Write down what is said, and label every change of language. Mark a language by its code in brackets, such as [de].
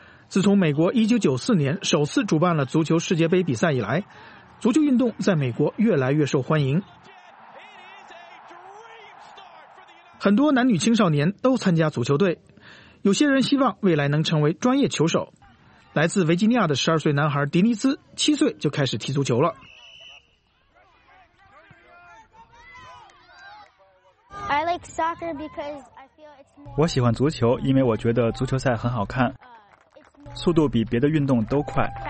[zh] 自从美国1994年首次主办了足球世界杯比赛以来，足球运动在美国越来越受欢迎。很多男女青少年都参加足球队，有些人希望未来能成为专业球手。来自维吉尼亚的12岁男孩迪尼斯7岁就开始踢足球了。 [en] I like soccer because I feel it's more... [zh] 我喜欢足球，因为我觉得足球赛很好看，速度比别的运动都快。